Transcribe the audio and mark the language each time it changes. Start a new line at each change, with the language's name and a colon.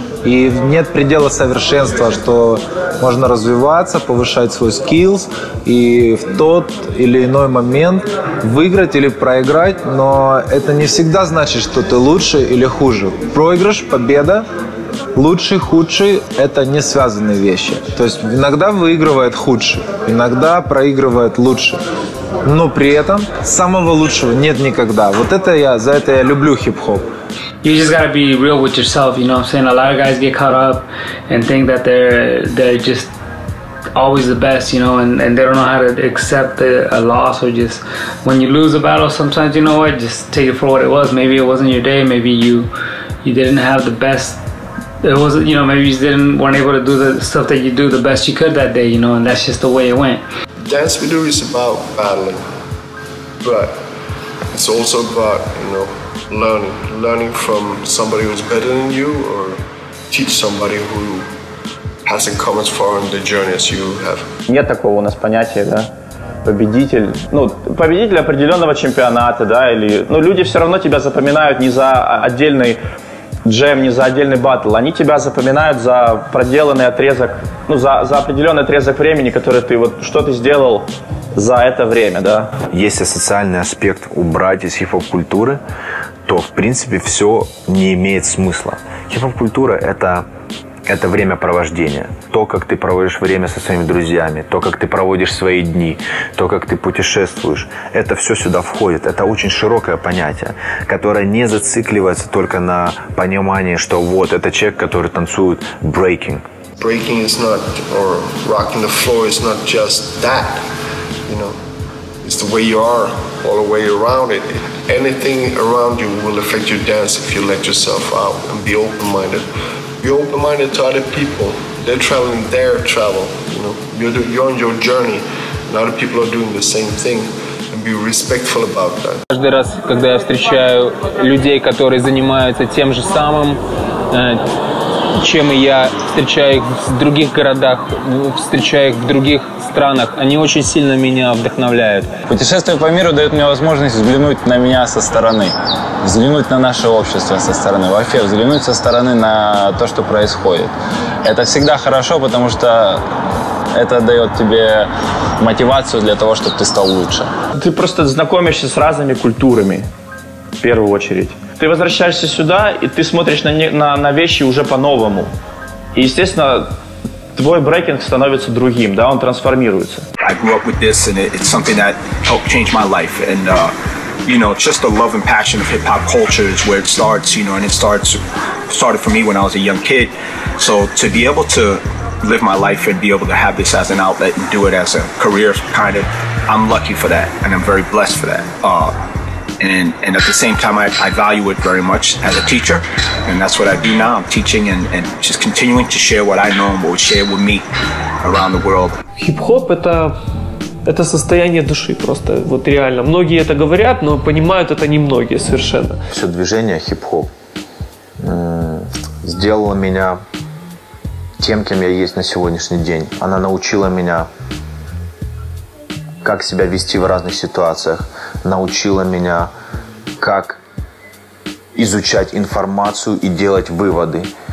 Russian: И нет предела совершенства, что можно развиваться, повышать свой skills и в тот или иной момент выиграть или проиграть, но это не всегда значит, что ты лучше или хуже. Проигрыш, победа, лучший, худший – это не связанные вещи. То есть иногда выигрывает худший, иногда проигрывает лучший. Но при этом самого лучшего нет никогда. Вот это я, за это я люблю хип-хоп.
English: You just gotta be real with yourself, you know what I'm saying? A lot of guys get caught up and think that they're just always the best, you know, and they don't know how to accept a loss or just when you lose a battle sometimes, you know what, just take it for what it was. Maybe it wasn't your day, maybe you didn't have the best. It was, you know, maybe you didn't weren't able to do the stuff that you do the best you could that day, you know, and that's just the way it went. Dance We Do is about battling, but it's also about, you know, learning from somebody who's better than you, or teach somebody who hasn't come as far on the journey as you have.
Russian: Нет такого у нас понятия, да? Победитель, ну, победитель определенного чемпионата, да, или, ну, люди все равно тебя запоминают не за отдельный джем, не за отдельный батл, они тебя запоминают за проделанный отрезок, ну, за определенный отрезок времени, который ты, вот, что ты сделал за это время, да. Если социальный аспект убрать из хип-хоп-культуры, то, в принципе, все не имеет смысла. Хип-хоп-культура – это времяпровождение. То, как ты проводишь время со своими друзьями, то, как ты проводишь свои дни, то, как ты путешествуешь, это все сюда входит. Это очень широкое понятие, которое не зацикливается только на понимании, что вот, это человек, который танцует breaking.
English: Breaking is not, or rocking the floor is not just that, you know. It's the way you are, all the way around it. Anything around you will affect your dance if you let yourself out and be open-minded. Be open-minded to other people. They're traveling their travel, you know. You're on your journey, and other people are doing the same thing. And be respectful about that.
Russian: Каждый раз, когда я встречаю людей, которые занимаются тем же самым, чем и я, встречаю их в других городах, встречаю их в других странах, они очень сильно меня вдохновляют. Путешествие по миру дает мне возможность взглянуть на меня со стороны, взглянуть на наше общество со стороны, вообще взглянуть со стороны на то, что происходит. Это всегда хорошо, потому что это дает тебе мотивацию для того, чтобы ты стал лучше. Ты просто знакомишься с разными культурами, в первую очередь. Ты возвращаешься сюда, и ты смотришь на вещи уже по-новому. И, естественно, твой брейкинг становится другим, да, он трансформируется.
English: I grew up with this, and it's something that helped change my life. And, you know, just the love and passion of hip-hop culture is where it starts, you know, and it started for me when I was a young kid. So to be able to live my life and be able to have this as an outlet and do it as a career, kind of, I'm lucky for that, and I'm very blessed for that. And at the same time, I value it very much as a teacher, and that's what I do now. I'm teaching and just continuing to share what I know and what we share with me around the world.
Russian: Hip-hop это состояние души просто, вот реально. Многие это говорят, но понимают это немногие совершенно. Все движение хип-хоп сделало меня тем, кем я есть на сегодняшний день. Она научила меня, как себя вести в разных ситуациях, научила меня, как изучать информацию и делать выводы.